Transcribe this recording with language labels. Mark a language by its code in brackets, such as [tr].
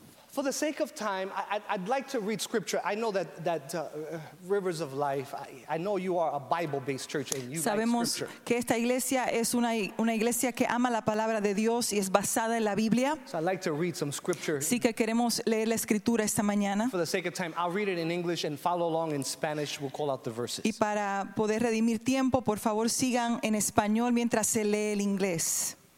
[en] For the sake of time, I'd like to read scripture. I know that Rivers of Life, I know you are a Bible-based church and you [es] sabemos [en] like scripture. [es] Sabemos que esta iglesia es una iglesia que ama la palabra de Dios y es basada en la Biblia. [en] So I'd like to read some scripture. [es] Sí que queremos leer la escritura esta mañana. [en] For the sake of time, I'll read it in English and follow along in Spanish. We'll call out the verses. [es] Y para poder redimir tiempo, por favor, sigan en español mientras se lee el inglés.